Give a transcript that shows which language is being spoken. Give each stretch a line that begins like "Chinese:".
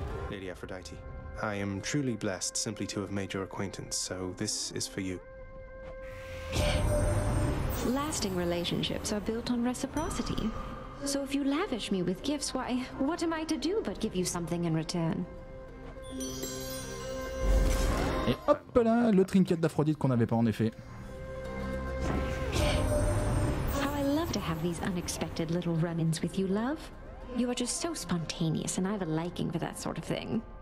English: Lady Aphrodite, I am truly blessed simply to have made your acquaintance, so this is for you. Lasting relationships are built on reciprocity. So if you lavish me with gifts, why, what am I to do but give you something in return?
French: Et hop là, le trinket d'Aphrodite qu'on n'avait pas en effet.
English: These unexpected little run-ins with you, love. You are just so spontaneous, and I have a liking for that sort of thing.